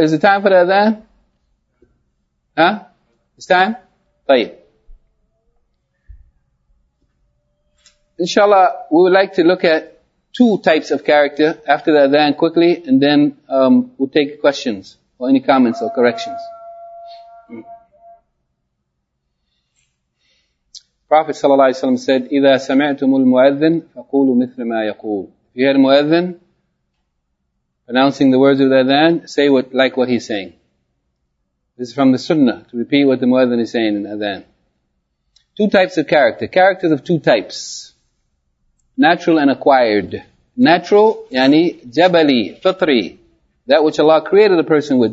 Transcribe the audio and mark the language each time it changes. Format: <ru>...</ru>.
<en>Is it time for the adhan? Huh? It's time? Tayyib. Inshallah, we would like to look at two types of character after the adhan quickly, and then we'll take questions or any comments or corrections. Prophet sallallahu alaihi wasallam said,</en> <ar>"إذا سمعتم المؤذن فقولوا مثل ما يقول."</ar> <en>If you hear the muadhin announcing the words of the adhan, say what, like what he's saying. This is from the sunnah, to repeat what the muadhin is saying in adhan. Two types of character, characters of two types: natural and acquired. Natural,</en> <ar>yani jabali, fitri,</ar> <en>that which Allah created a person with.</en>